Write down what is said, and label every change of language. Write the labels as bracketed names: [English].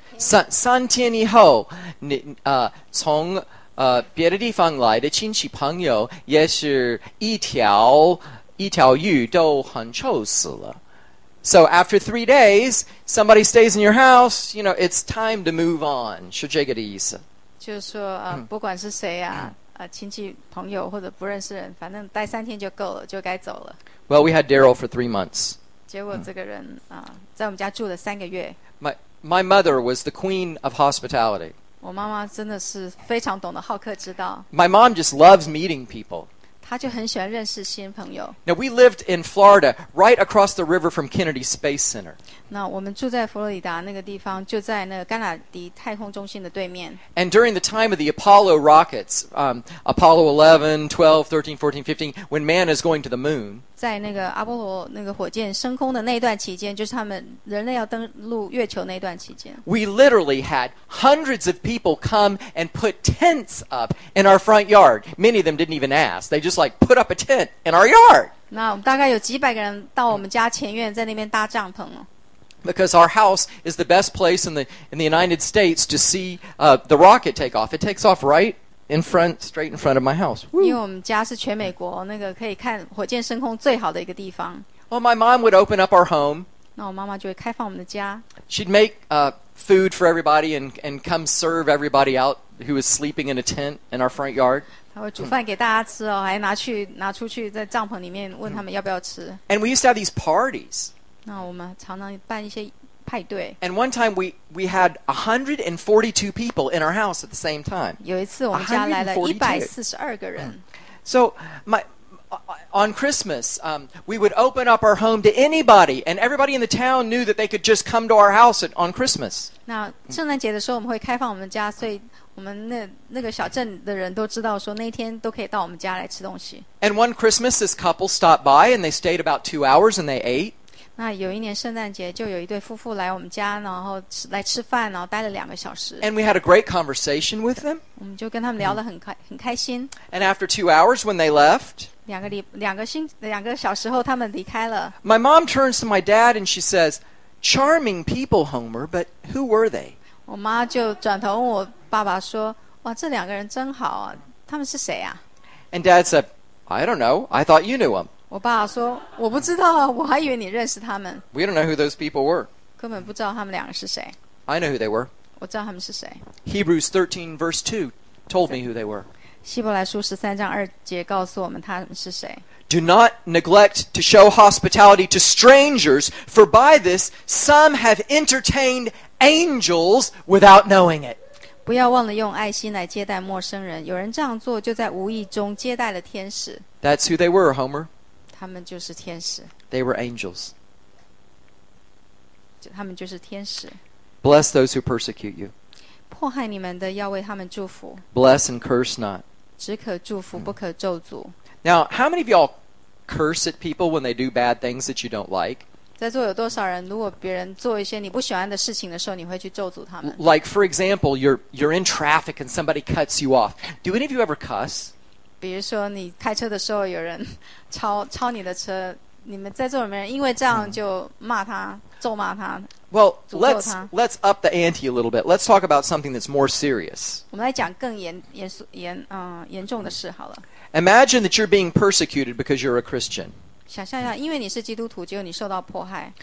[Chinese] 三天以后，你从别的地方来的亲戚朋友，也是一条鱼都很臭死了。 [English] So after 3 days, somebody stays in your house, you know, it's time to move on. [Chinese] 是这个的意思。就是说，不管是谁啊，亲戚朋友或者不认识人，反正待三天就够了，就该走了。 [English] Well, we had Daryl for 3 months. [Chinese] 结果这个人在我们家住了三个月。 [English] My mother was the queen of hospitality. [Chinese] 我妈妈真的是非常懂得好客之道。 [English] My mom just loves meeting people. [Chinese] 她就很喜欢认识新朋友。 [English] Now we lived in Florida, right across the river from Kennedy Space Center. [Chinese] 那我们住在佛罗里达那个地方，就在那个甘乃迪太空中心的对面。 [English] And during the time of the Apollo rockets, Apollo 11, 12, 13, 14, 15, when man is going to the moon, [Chinese] 在那个阿波罗那个火箭升空的那段期间，就是他们人类要登陆月球那段期间。 [English] We literally had hundreds of people come and put tents up in our front yard. Many of them didn't even ask. They just like put up a tent in our yard. [Chinese] 那我们大概有几百个人到我们家前院在那边搭帐篷了。 [English] Because our house is the best place in the United States to see the rocket take off. It takes off right. In front, straight in front of my house. [Chinese] 因为我们家是全美国那个可以看火箭升空最好的一个地方。 [English] Well, my mom would open up our home. [Chinese] 那我妈妈就会开放我们的家。 [English] She'd make food for everybody and come serve everybody out who was sleeping in a tent in our front yard. [Chinese] 她会煮饭给大家吃哦，还拿出去在帐篷里面问他们要不要吃。 [English] And we used to have these parties. [Chinese] 那我们常常办一些派对。 [English] And one time we had 142 people in our house at the same time. [Chinese] 有一次我们家来了142个人。 [English] So on Christmas, we would open up our home to anybody, and everybody in the town knew that they could just come to our house on Christmas. [Chinese] 那圣诞节的时候我们会开放我们家，所以我们那个小镇的人都知道说那天都可以到我们家来吃东西。 [English] And one Christmas, this couple stopped by, and they stayed about 2 hours, and they ate. [Chinese] 那有一年圣诞节就有一对夫妇来我们家，然后来吃饭，然后待了2个小时。 [English] And we had a great conversation with them. [Chinese] 我们就跟他们聊得很开心。 [English] And after 2 hours when they left, [Chinese] 两个小时后他们离开了。 [English] My mom turns to my dad and she says, charming people, Homer, but who were they? [Chinese] 我妈就转头问我爸爸说，哇，这两个人真好啊，他们是谁啊？ [English] And dad said, I don't know, I thought you knew them. [Chinese] 我爸说我不知道啊，我还以为你认识他们。 [English] We don't know who those people were. [Chinese] 根本不知道他们两个是谁。 [English] I know who they were. [Chinese] 我知道他们是谁。 [English] Hebrews 13 verse 2 told me who they were. [Chinese] 希伯来书13:2告诉我们他们是谁。 [English] Do not neglect to show hospitality to strangers, for by this some have entertained angels without knowing it. [Chinese] 不要忘了用爱心来接待陌生人，有人这样做就在无意中接待了天使。 [English] That's who they were, Homer. [Chinese] 他们就是天使。 [English] They were angels. [Chinese] 他们就是天使。 [English] Bless those who persecute you. [Chinese] 迫害你们的要为他们祝福。 [English] Bless and curse not. [Chinese] 只可祝福，不可咒诅。 [English] Now, how many of y'all curse at people when they do bad things that you don't like? [Chinese] 在座有多少人，如果别人做一些你不喜欢的事情的时候，你会去咒诅他们？ [English] Like, for example, you're in traffic and somebody cuts you off. Do any of you ever cuss? [Chinese] 比如说你开车的时候，有人超你的车，你们在座有没有人因为这样就骂他？咒骂他。 [English] Well, let's up the ante a little bit. Let's talk about something that's more serious. [Chinese] 我们来讲更严重的事好了。 [English] Imagine that you're being persecuted because you're a Christian. [Chinese] 想象一下，因为你是基督徒，结果你受到迫害。